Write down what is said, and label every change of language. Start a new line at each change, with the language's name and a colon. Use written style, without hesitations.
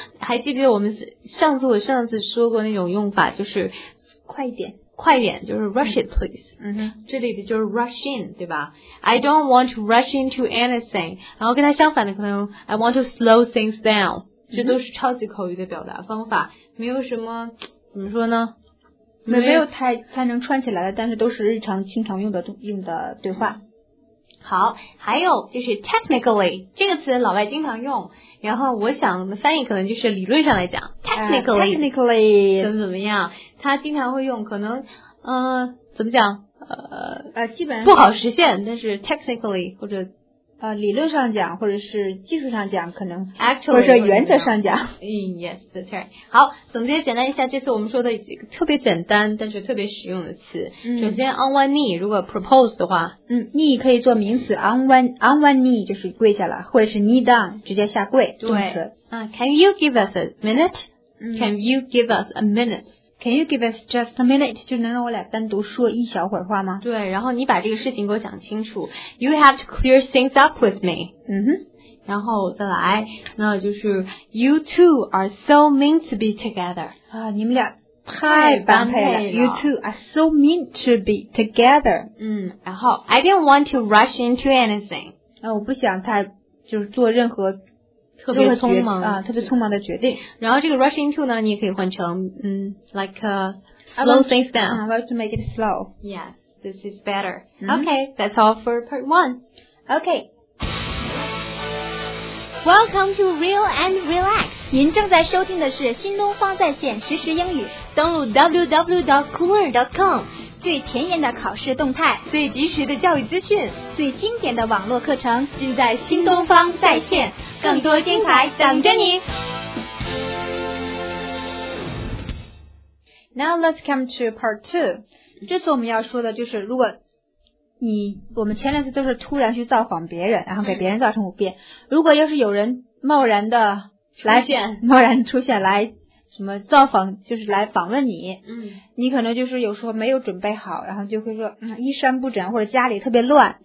Chinese: 还记不记得我上次说过那种用法，就是快一点，就是
English: rush it please。
Chinese: 这里的就是
English: rush in，
Chinese: 对吧
English: ？I don't want to rush into anything。
Chinese: 然后跟它相反的可能
English: I want to slow things down。
Chinese: 这都是超级口语的表达方法，没有什么怎么说呢？没有太能串起来的，但是都是日常经常用的对话。好，还有就是 technically 这个词老外经常用，然后我想翻译可能就是理论上来讲 technically 怎么怎么样，他经常会用，可能怎么讲基本上不好实现，但是 technically 或者理论上讲或者是技术上讲可能
English: actually
Chinese: 或者原则上讲
English: yes that's right。
Chinese: 好，总结简单一下这次我们说的几个特别简单但是特别实用的词，首先
English: on one knee
Chinese: 如果 propose 的话， knee 可以做名词，
English: on one knee
Chinese: 就是跪下来，或者是
English: knee down
Chinese: 直接下跪，动词。
English: Can you give us a minute? Can you give us a minute? Can you give us just a minute?
Chinese: 就能让我俩单独说一小会儿话吗？对，然后你把这个事情给我讲清楚。
English: You have to clear things up with me. 嗯哼。
Chinese: 然后再来，那就是
English: You two are so meant to be together.
Chinese: 啊，你们俩太般配了。
English: You two are so meant to be together.
Chinese: 嗯，然后
English: I didn't want to rush into anything.
Chinese: 啊，我不想太就是做任何特别匆忙啊，特别匆忙的决定。然后这个 rush into 呢，你也可以换成like
English: slow things down. I want to make it slow. Yes, this is better. Okay, that's all for part one. Okay. Welcome to Real and Relax.
Chinese: 您正在收听的是新东方在线实时英语，登录 www.coolr.com 最前沿的考试动态，最及时的教育资讯，最经典的网络课程，尽在新东方在线，更多精彩等着你。
English: Now let's come to part two.
Chinese: 这次我们要说的就是如果你我们前两次都是突然去造访别人，然后给别人造成不便。如果要是有人贸然的来出现，贸然出现来什么造访，就是来访问你，你可能就是有时候没有准备好，然后就会说衣衫不整或者家里特别乱。